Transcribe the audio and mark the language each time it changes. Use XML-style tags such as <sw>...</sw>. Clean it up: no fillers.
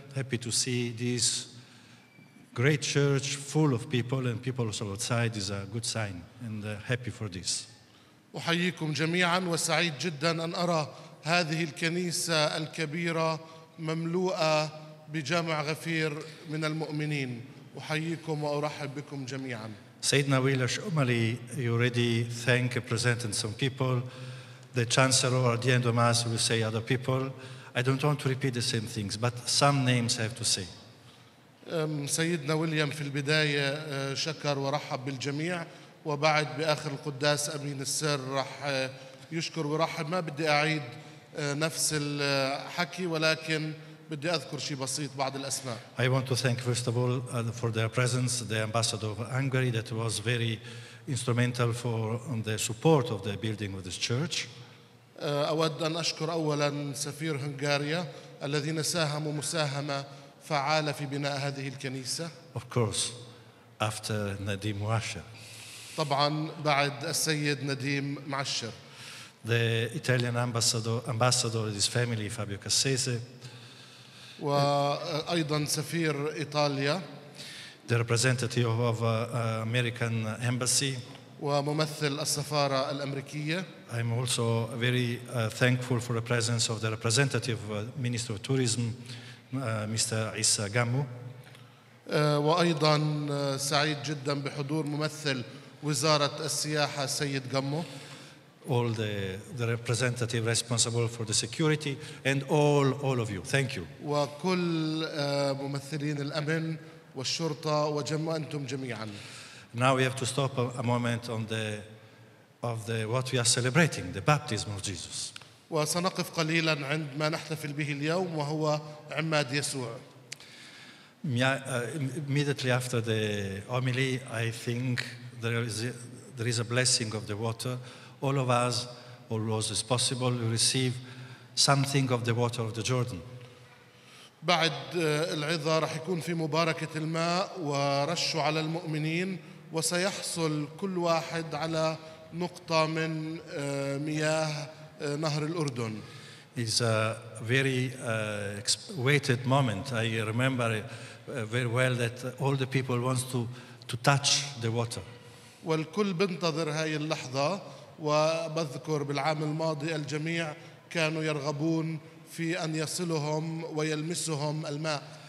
<en>Happy to see this great church full of people, and people also outside is a good sign, and happy for this.</en> <ar>أحييكم جميعاً وسعيد جداً أن أرى هذه الكنيسة الكبيرة مملوءة بجامع غفير من المؤمنين. أحييكم وأرحب بكم جميعاً. سيدنا ويلش أملي,</ar> <en>you already thank and presented some people. The Chancellor at the end of Mass will say other people. I don't want to repeat the same things, but some names I have to say.</en> <ar>سيدنا ويليام في البداية شكر ورحب بالجميع، وبعد بآخر القداس أمين السر رح يشكر ورحب. ما بدي أعيد نفس الحكي، ولكن بدي أذكر شيء بسيط بعض الأسماء.</ar> <en>I want to thank first of all for their presence, the Ambassador of Hungary that was very instrumental for the support of the building of this church.</en> <ar>أود أن أشكر أولاً سفير هنغاريا الذين ساهموا مساهمة فعالة في بناء هذه الكنيسة.</ar> <en>Of course, after Nadim Washer.</en> <ar>طبعاً بعد السيد نديم معشر.</ar> <en>The Italian ambassador and his family, Fabio Cassese.</en> <ar>وأيضاً سفير إيطاليا.</ar> <en>The representative of American embassy.</en> <ar>وممثل السفارة الأمريكية.</ar> <en>I'm also very thankful for the presence of the representative minister of tourism, Mr. Issa Gamu.</en> <ar>وأيضا سعيد جدا بحضور ممثل وزارة السياحة سيد جامو.</ar> <en>All the representative responsible for the security and all of you. Thank you.</en> <ar>وكل ممثلين الأمن والشرطة وجمعتم جميعا.</ar> <en>Now we have to stop a moment on the what we are celebrating, the baptism of Jesus.</en> <ar>وسنقف قليلا عند ما نحتفل به اليوم وهو عماد يسوع.</ar> <en>Immediately after the homily, I think there is a blessing of the water. All of us, all those as possible, will receive something of the water of the Jordan.</en> <ar>بعد العظة رح يكون في مباركة الماء ورش على المؤمنين، وسيحصل كل واحد على نقطة من مياه نهر الأردن.</ar> <en>It's a very awaited moment. I remember very well that all the people wants to touch the water.</en> <ar>والكل بنتظر هاي اللحظة، وبذكر بالعام الماضي الجميع كانوا يرغبون في أن يصلهم ويلمسهم الماء.</ar>